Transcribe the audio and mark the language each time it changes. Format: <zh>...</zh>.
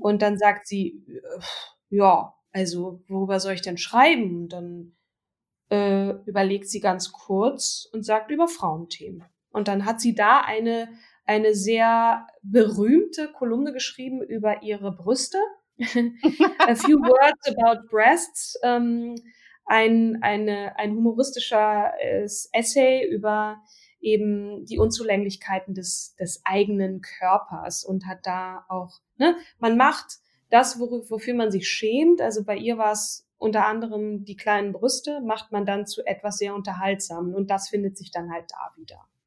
<de>Und dann sagt sie, ja, also worüber soll ich denn schreiben? Und dann überlegt sie ganz kurz und sagt über Frauenthemen. Und dann hat sie da eine sehr berühmte Kolumne geschrieben über ihre Brüste.</de> <en>A few words about breasts.</en> <de>Ein humoristischer Essay über eben die Unzulänglichkeiten des eigenen Körpers und hat da auch, ne, man macht das, wofür man sich schämt, also bei ihr war es unter anderem die kleinen Brüste, macht man dann zu etwas sehr Unterhaltsamen und das findet sich dann halt da wieder.</de>